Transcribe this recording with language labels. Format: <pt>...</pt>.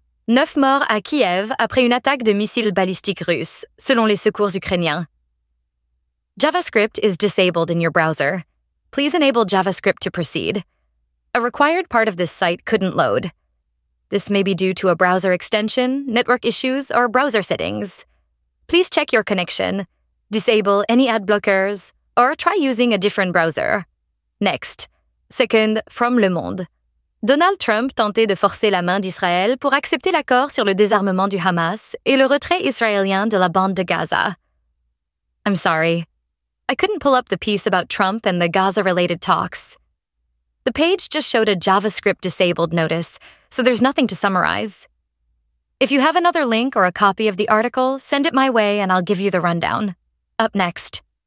<fr>9 morts à Kiev après une attaque de missiles balistiques russes, selon les secours ukrainiens.</fr> <en>JavaScript is disabled in your browser. Please enable JavaScript to proceed. A required part of this site couldn't load. This may be due to a browser extension, network issues, or browser settings. Please check your connection, disable any ad blockers, or try using a different browser. Next. Second, from Le Monde.</en> <fr>Donald Trump tentait de forcer la main d'Israël pour accepter l'accord sur le désarmement du Hamas et le retrait israélien de la bande de Gaza.</fr> <en>I'm sorry. I couldn't pull up the piece about Trump and the Gaza-related talks. The page just showed a JavaScript disabled notice, so there's nothing to summarize. If you have another link or a copy of the article, send it my way and I'll give you the rundown. Up next.</en>